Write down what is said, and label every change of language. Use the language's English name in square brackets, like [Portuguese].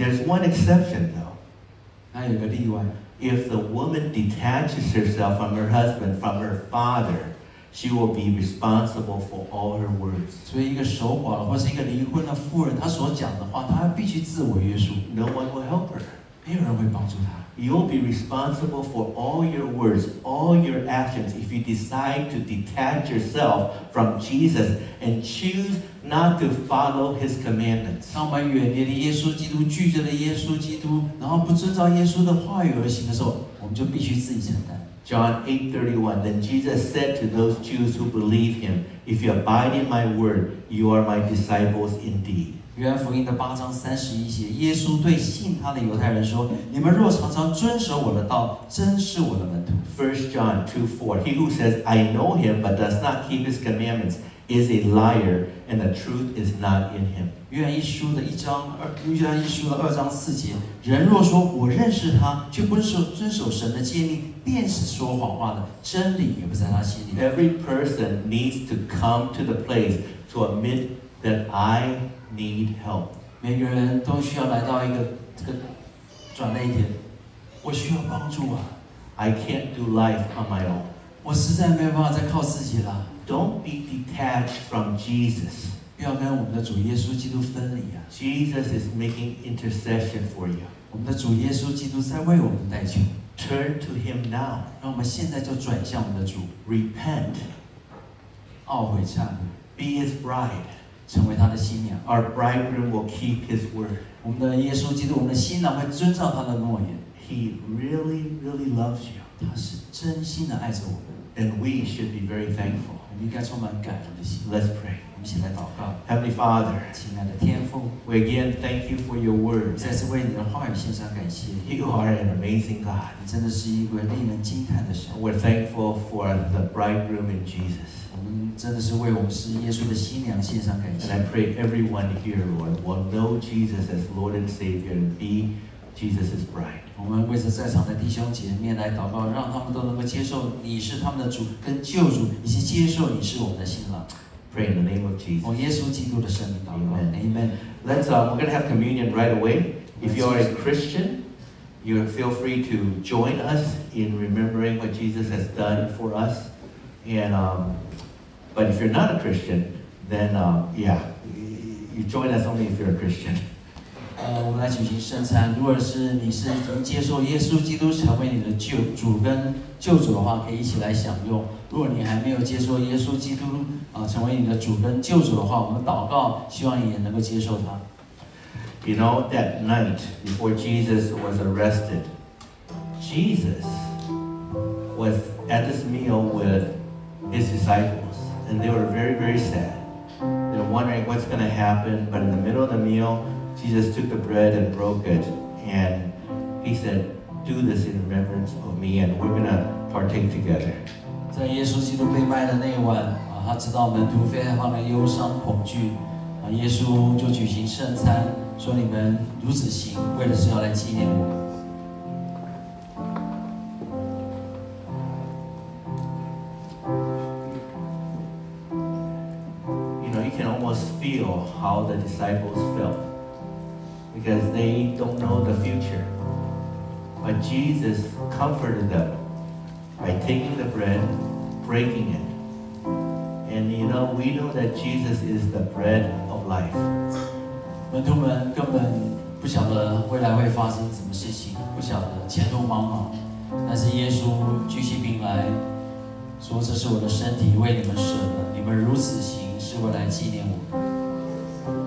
[English] There's one exception though. [Chinese] 那有个例外。 [English] If the woman detaches herself from her husband, from her father, she will be responsible for all her words. [Chinese] 所以一个守寡的或是一个离婚的妇人，她所讲的话，她必须自我约束。 [English] No one will help her. [Chinese] 没有人会帮助她。 [English] You'll be responsible for all your words, all your actions, if you decide to detach yourself from Jesus and choose not to follow His commandments. [Chinese] 当我们远离了耶稣基督，拒绝了耶稣基督，然后不遵照耶稣的话语而行的时候，我们就必须自己承担。 [English] John 8:31, then Jesus said to those Jews who believe Him, if you abide in my word, you are my disciples indeed. [Chinese] 约翰福音的8:31，耶稣对信他的犹太人说：“你们若常常遵守我的道，真是我的门徒。” [English] 1 John 2:4, He who says, I know him, but does not keep his commandments, is a liar, and the truth is not in him. [Chinese] 约翰一书的二章四节，人若说我认识他，却不是遵守神的诫命，便是说谎话的，真理也不在他心里。 [English] Every person needs to come to the place to admit that I need help. [Chinese] 每个人都需要来到一个这个转捩点，我需要帮助啊。 [English] I can't do life on my own. [Chinese] 我实在没有办法再靠自己了。 [English] Don't be detached from Jesus. [Chinese] 要跟我们的主耶稣基督分离啊。 [English] Jesus is making intercession for you. [Chinese] 我们的主耶稣基督在为我们代求。 [English] Turn to him now. [Chinese] 让我们现在就转向我们的主。 [English] Repent. [Chinese] 懊悔忏悔。 [English] Be his bride. [Chinese] 成为他的新娘。 [English] Our bridegroom will keep his word. [Chinese] 我们的耶稣基督，我们的新郎会遵照他的诺言。 [English] He really, really loves you. [Chinese] 他是真心的爱着我们。 [English] And we should be very thankful. [Chinese] 我们应该充满感恩的心。 [English] Let's pray. [Chinese] 我们先来祷告。 [English] Heavenly Father, [Chinese] 亲爱的天父 [English] ，We again thank you for your word. [Chinese] 再次为你的话语献上感谢。 [English] You are an amazing God. [Chinese] 你真的是一位令人惊叹的神。 [English] We're thankful for the bridegroom in Jesus. [Chinese] 我们真的是为我们是耶稣的新娘献上感谢。 [English] And I pray everyone here, Lord, will know Jesus as Lord and Savior and be Jesus' bride. [Chinese] 我们为着在场的弟兄姐妹来祷告，让他们都能够接受你是他们的主跟救主，以及接受你是我们的新郎。 [English] Pray in the name of Jesus. [Chinese] 奉耶稣基督的圣名祷告。 [English] Amen. Let's we're gonna have communion right away. If you are a Christian, you feel free to join us in remembering what Jesus has done for us. And but if you're not a Christian, then you join us only if you're a Christian. [Chinese] 我们来举行圣餐。如果是你是已经接受耶稣基督成为你的救主跟救主的话，可以一起来享用。如果你还没有接受耶稣基督成为你的主跟救主的话，我们祷告，希望你也能够接受他。 [English] You know that night before Jesus was arrested, Jesus was at this meal with his disciples, and they were very, very sad. They're wondering what's going to happen. But in the middle of the meal. Jesus took the bread and broke it, and he said, "Do this in remembrance of me, and we're gonna partake together." [Chinese] 在耶稣基督被卖的那一晚，他知道门徒非常的忧伤恐惧，耶稣就举行圣餐，说你们如此行，为的是要来纪念我。 [English] You know, you can almost feel how the disciples felt. Because they don't know the future. But Jesus comforted them by taking the bread, breaking it. And you know, we know that Jesus is the bread of life. [Chinese] 门徒们根本不晓得未来会发生什么事情，不晓得前途茫茫。但是耶稣举起饼来，说这是我的身体为你们舍的，你们如此行是为了纪念我。